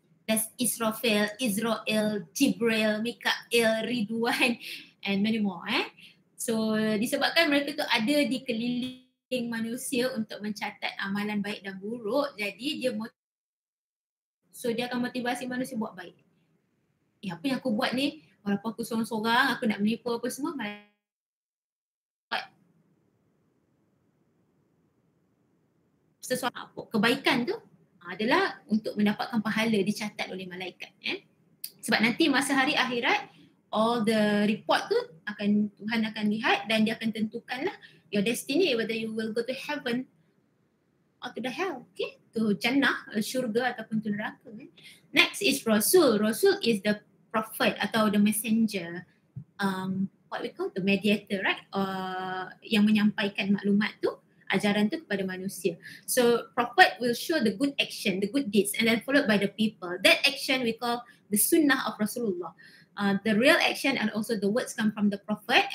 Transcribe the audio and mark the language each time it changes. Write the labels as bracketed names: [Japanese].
[English] That's Israfil, Israel, Jibril, Mikael, Ridwan and many more. [Malay] So disebabkan mereka tu ada dikeliling manusia untuk mencatat amalan baik dan buruk, jadi dia So dia akan motivasi manusia buat baik. Eh, apa yang aku buat ni, walaupun aku sorang-sorang, aku nak menipu apa semua, buat sesuatu apa. Kebaikan tu adalah untuk mendapatkan pahala dicatat oleh malaikat. Sebab nanti masa hari akhirat, [English] all the report [Malay] tu akan Tuhan akan lihat dan dia akan tentukan lah [English] your destiny, whether you will go to heaven or to the hell. Okay? [Malay] To jannah, syurga ataupun to neraka. [English] Next is [Malay] Rasul. [English] Rasul is the prophet atau the messenger. What we call the mediator, right? [Malay] Yang menyampaikan maklumat tu, ajaran tu kepada manusia. [English] So prophet will show the good action, the good deeds, and then followed by the people. That action we call the sunnah of Rasulullah. The real action and also the words come from the prophet.